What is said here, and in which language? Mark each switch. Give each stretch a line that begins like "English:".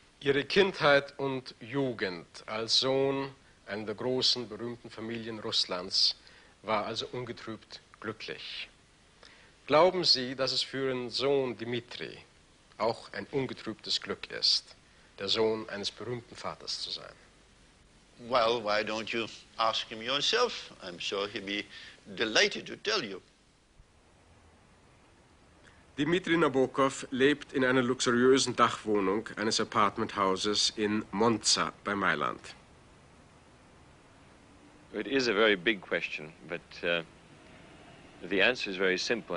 German: Ihre Kindheit und Jugend als Sohn einer der großen, berühmten Familien Russlands war also ungetrübt glücklich. Glauben Sie, dass es für Ihren Sohn Dimitri auch ein ungetrübtes Glück ist, der Sohn eines berühmten Vaters zu sein?
English: Well, why don't you ask him yourself? I'm sure he'd be delighted to tell you.
German: Dimitri Nabokov lebt in einer luxuriösen Dachwohnung eines Apartmenthauses in Monza bei Mailand.
English: It is a very big question, but the answer is very simple.